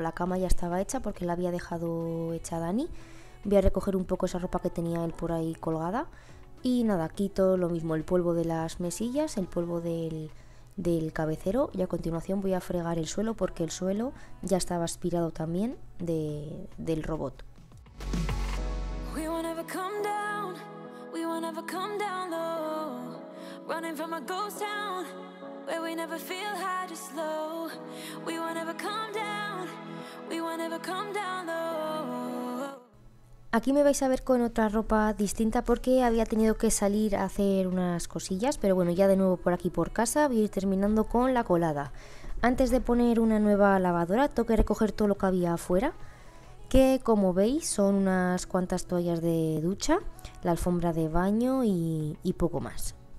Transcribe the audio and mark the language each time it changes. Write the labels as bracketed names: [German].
[Spanish] La cama ya estaba hecha porque la había dejado hecha Dani. Voy a recoger un poco esa ropa que tenía él por ahí colgada. Y nada, quito lo mismo, el polvo de las mesillas, el polvo del cabecero. Y a continuación voy a fregar el suelo porque el suelo ya estaba aspirado también del robot. [English] We won't ever come down, we won't ever come down low. Running from a ghost town, where we never feel high, just low. We won't ever come down, we won't ever come down low. [Spanish] Aquí me vais a ver con otra ropa distinta porque había tenido que salir a hacer unas cosillas, pero bueno, ya de nuevo por aquí por casa voy a ir terminando con la colada. Antes de poner una nueva lavadora, tengo que recoger todo lo que había afuera. que como veis son unas cuantas toallas de ducha, la alfombra de baño y poco más.